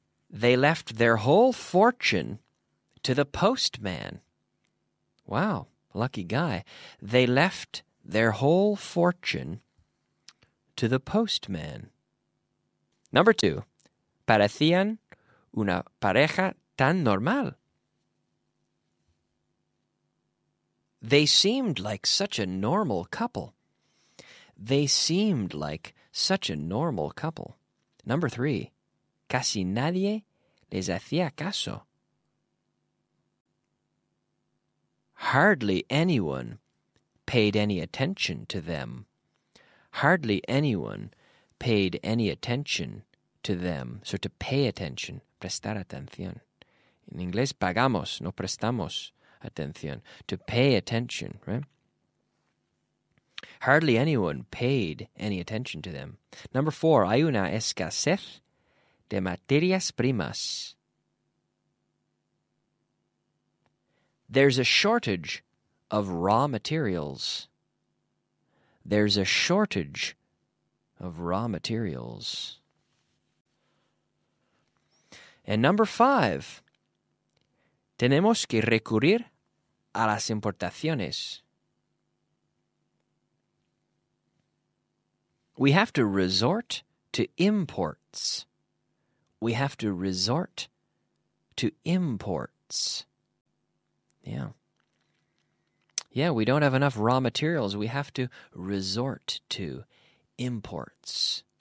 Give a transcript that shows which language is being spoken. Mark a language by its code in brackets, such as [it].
[en] They left their whole fortune to the postman. Wow, lucky guy. They left their whole fortune to the postman. Number two, [es] parecían una pareja tan normal. [en] They seemed like such a normal couple. They seemed like such a normal couple. Number three, [es] casi nadie les hacía caso. [en] Hardly anyone paid any attention to them. Hardly anyone paid any attention to them. So to pay attention, [es] prestar atención. [en] In English, [es] pagamos, no prestamos atención. [en] To pay attention, right? Hardly anyone paid any attention to them. Number four, [es] hay una escasez de materias primas. [en] There's a shortage of raw materials. There's a shortage of raw materials. And number five, [es] tenemos que recurrir a las importaciones. [en] We have to resort to imports. We have to resort to imports. Yeah. Yeah, we don't have enough raw materials. We have to resort to imports.